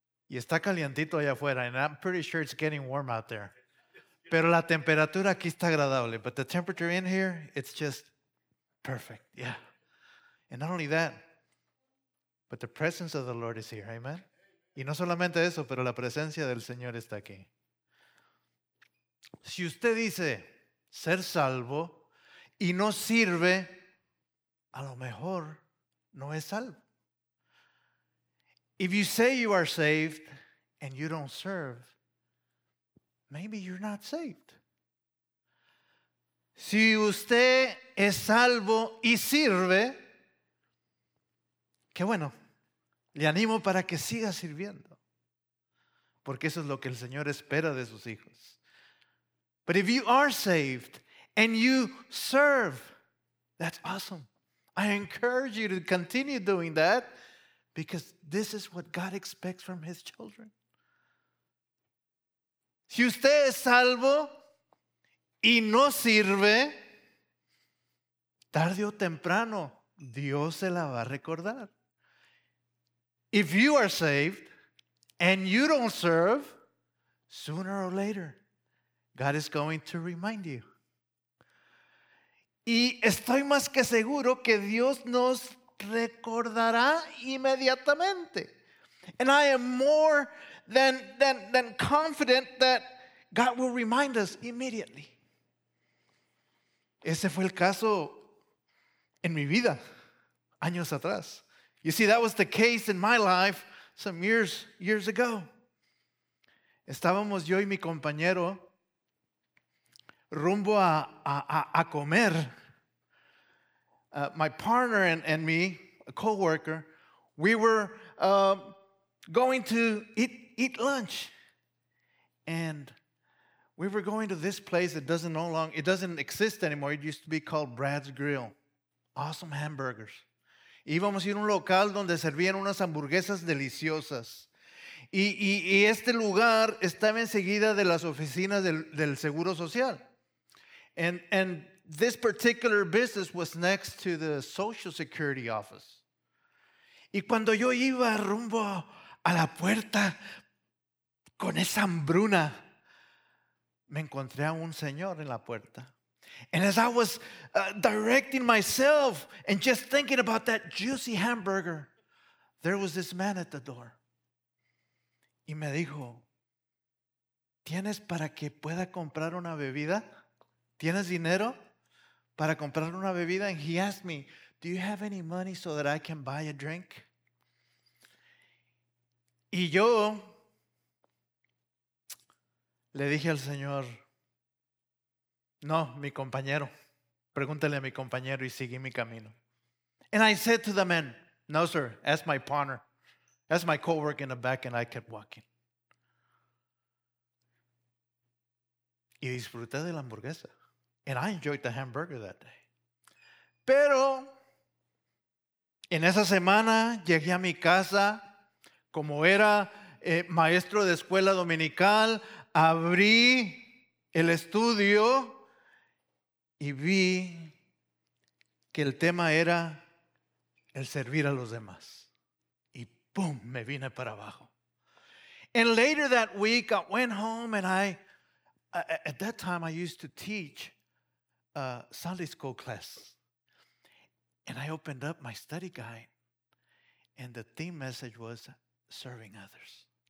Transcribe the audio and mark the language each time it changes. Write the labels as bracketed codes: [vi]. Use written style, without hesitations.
[es] Y está calientito allá afuera, [en] and I'm pretty sure it's getting warm out there. [es] Pero la temperatura aquí está agradable. [en] But the temperature in here, it's just perfect, yeah. And not only that, but the presence of the Lord is here, amen? [es] Y no solamente eso, pero la presencia del Señor está aquí. Si usted dice ser salvo y no sirve, a lo mejor no es salvo. [en] If you say you are saved and you don't serve, maybe you're not saved. [es] Si usted es salvo y sirve, qué bueno. Le animo para que siga sirviendo. Porque eso es lo que el Señor espera de sus hijos. [en] But if you are saved and you serve, that's awesome. I encourage you to continue doing that because this is what God expects from His children. [es] Si usted es salvo y no sirve, tarde o temprano, Dios se la va a recordar. [en] If you are saved and you don't serve, sooner or later, God is going to remind you. [es] Y estoy más que seguro que Dios nos recordará inmediatamente. [en] And I am more than confident that God will remind us immediately. [es] Ese fue el caso en mi vida, años atrás. [en] You see, that was the case in my life some years ago. [es] Estábamos yo y mi compañero rumbo a comer. [en] My partner and me, a co-worker, we were going to eat lunch. And we were going to this place that doesn't exist anymore. It used to be called Brad's Grill. Awesome hamburgers. [es] Íbamos a ir a un local donde servían unas hamburguesas deliciosas. Y este lugar estaba enseguida de las oficinas del Seguro Social. [en] And this particular business was next to the Social Security office. [es] Y cuando yo iba rumbo a la puerta con esa hambruna, me encontré a un señor en la puerta. [en] And as I was directing myself and just thinking about that juicy hamburger, there was this man at the door. [es] Y me dijo, ¿tienes para que pueda comprar una bebida? ¿Tienes dinero para comprar una bebida? [en] And he asked me, do you have any money so that I can buy a drink? [es] Y yo le dije al Señor, no, mi compañero. Pregúntale a mi compañero y seguí mi camino. [en] And I said to the man, no, sir, ask my partner. Ask my co-worker in the back, and I kept walking. [es] Y disfruté de la hamburguesa. [en] And I enjoyed the hamburger that day. [es] Pero en esa semana llegué a mi casa, como era maestro de escuela dominical, abrí el estudio y vi que el tema era el servir a los demás. Y boom, me vine para abajo. [en] And later that week, I went home and I, at that time I used to teach Sunday school class. And I opened up my study guide and the theme message was serving others.